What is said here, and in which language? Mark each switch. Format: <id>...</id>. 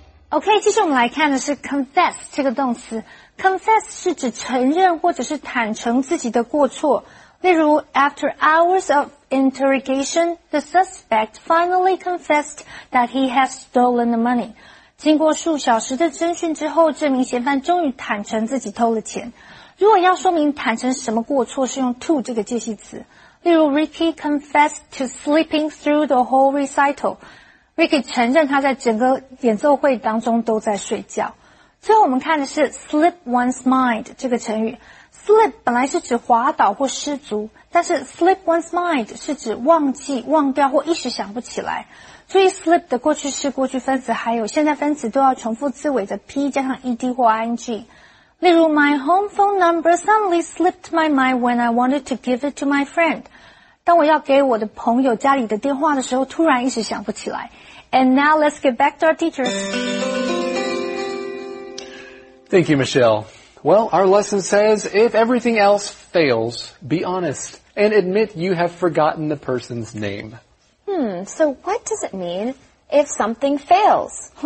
<zh>OK, 接下来我们来看的是 confess 这个动词。Confess 是指承认或者是坦诚自己的过错。例如</zh> <en>,after hours of interrogation, the suspect finally confessed that he has stolen the money.</en> <zh>经过数小时的侦讯之后,这名嫌犯终于坦诚自己偷了钱。如果要说明坦诚什么过错,是用 to 这个介系词。例如</zh> <en>,Ricky confessed to sleeping through the whole recital.</en> <zh>Ricky 承认他在整个演奏会当中都在睡觉。最后我们看的是 slip one's mind 这个成语。slip 本来是指滑倒或失足，但是 slip one's mind 是指忘记、忘掉或一时想不起来。注意 slip 的过去式、过去分词还有现在分词都要重复字尾的 p 加上 ed 或 ing。例如</zh> <en>,my home phone number suddenly slipped my mind when I wanted to give it to my friend.</en> <zh>当我要给我的朋友家里的电话的时候，突然一时想不起来。</zh> <en>And now let's get back to our teachers. Thank you, Michelle. Well, our lesson says, if everything else fails, be honest and admit you have forgotten the person's name. So what does it mean if something fails?</en>